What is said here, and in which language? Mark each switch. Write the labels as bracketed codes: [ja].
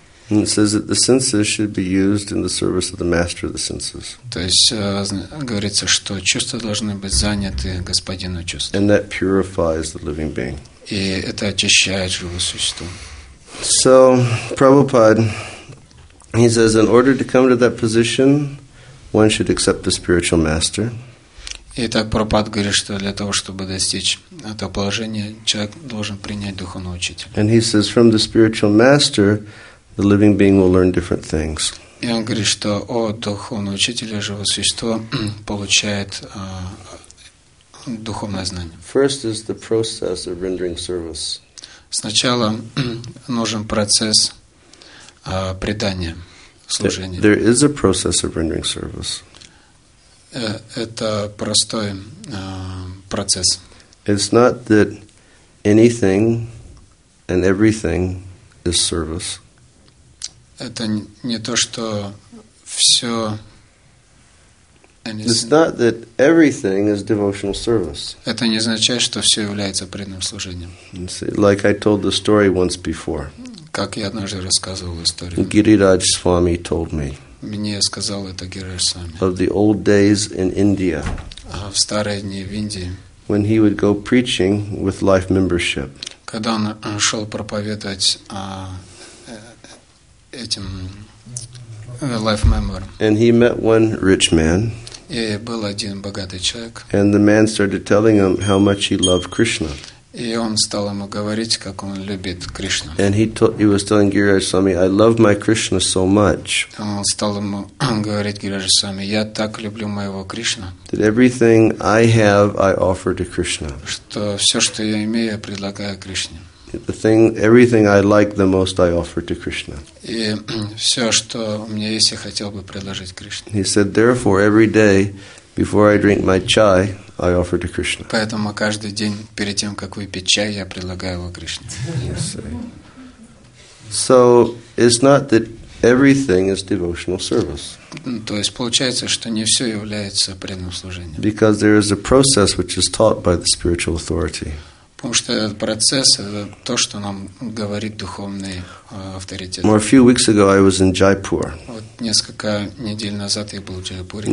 [en] And it says that the senses should be used in the service of the master of the senses. [ru] То есть говорится, что чувства должны быть заняты господину чувств. [en] And that purifies the living being. [ru] И это очищает живое существо. [en] So, Prabhupada, he says, in order to come to that position, one should accept the spiritual master. [ru] И так Прабхупада говорит, что для того, чтобы достичь этого положения, человек должен принять духовного учителя. [en] And he says, from the spiritual master, the living being will learn different things. [ru] И он говорит, что от духовного учителя живое существо получает духовное знание. [en] First is the process of rendering service. [ru] Сначала нужен процесс предания, служения. [en] There is a process of rendering service. [ru] Это простой процесс. [en] It's not that anything and everything is service. [ru] Это не то, что все. [en] It's not that everything is devotional service. [ru] Это не означает, что все является преданным служением. [en] Like I told the story once before. [ru] Как я однажды рассказывал историю. [en] Гирирадж Свами told me. [ru] Мне сказал это Гирирадж Свами. [en] Of the old days in India. [ru] В старые дни в Индии. [en] When he would go preaching with life membership. [ru] Когда он шел проповедовать этим [en] life member. And he met one rich man. [ru] И был один богатый человек. [en] And the man started telling him how much he loved Krishna. [ru] И он стал ему говорить, как он любит Кришну. [en] And he was telling Girish Swami, I love my Krishna so much. [ru] Он стал ему говорить Girish Swami, я так люблю моего Кришну. [en] That everything I have, I offer to Krishna. [ru] Что все, что я имею, я предлагаю Кришне. [en] The thing, everything I like the most, I offer to Krishna. [ru] И все, что у меня есть, я хотел бы предложить Кришне. [en] He said, therefore, every day, before I drink my chai, I offer to Krishna. [ru] Поэтому каждый день перед тем, как выпить чай, я предлагаю его Кришне. [en] So it's not that everything is devotional service. [ru] То есть получается, что не все является преданным служением. [en] Because there is a process which is taught by the spiritual authority. [ru] Потому что этот процесс – это то, что нам говорит духовный авторитет. [en] More, a few weeks ago, I was in Jaipur. [ru] Вот несколько недель назад я был в Джайпуре.